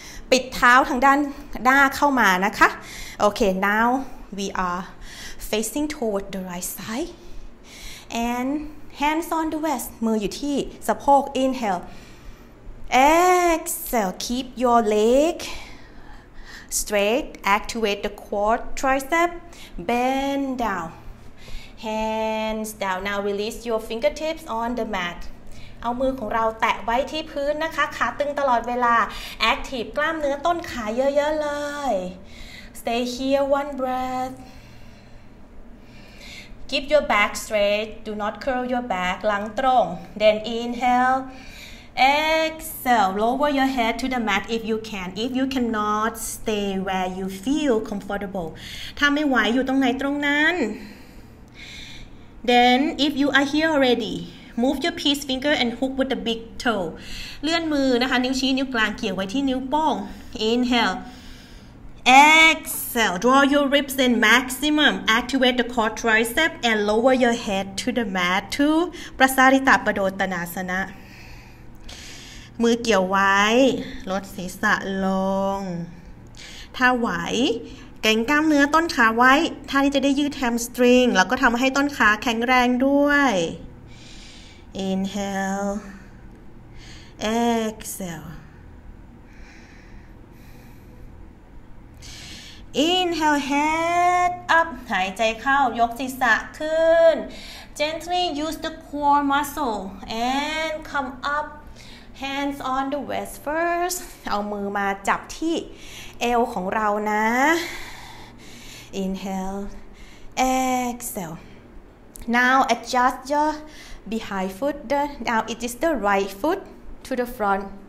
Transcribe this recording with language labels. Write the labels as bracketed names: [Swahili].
[Thai] ปิดเท้าทางด้านหน้าเข้ามานะคะ Okay. [English] Now we areFacing toward the right side, and hands on the waist. [Thai] มืออยู่ที่สะโพก [English] Inhale, exhale. Keep your leg straight. Activate the quad tricep. Bend down. Hands down. Now release your fingertips on the mat. [Thai] เอามือของเราแตะไว้ที่พื้นนะคะขาตึงตลอดเวลา Active กล้ามเนื้อต้นขาเยอะๆเลย [English] Stay here one breath. Keep your back straight. Do not curl your back. [Thai] หลังตรง. [English] Then inhale. Exhale. Lower your head to the mat if you can. If you cannot, stay where you feel comfortable. [Thai] ถ้าไม่ไหวอยู่ตรงไหนตรงนั้น. [English] Then if you are here already, move your peace finger and hook with the big toe. [Thai] เลื่อนมือนะคะ นิ้วชี้นิ้วกลางเกี่ยวไว้ที่นิ้วโป้ง. [English] Inhale. Exhale, draw your ribs in maximum, activate the core tricep and lower your head to the mat to Prasarita Padottanasana. [Thai] มือเกี่ยวไว้ลดศีรษะลงถ้าไหวเกร็งกล้ามเนื้อต้นขาไว้ท่านี้จะได้ยืดแฮมสตริงแล้วก็ทำให้ต้นขาแข็งแรงด้วย [English] Inhale, exhaleInhale, head up. [Thai] หายใจเข้ายกศีรษะขึ้น [English] Gently use the core muscle and come up. Hands on the waist first. [Thai] เอามือมาจับที่เอวของเรานะ [English] Inhale, exhale. Now adjust your behind foot. Now it is the right foot to the front.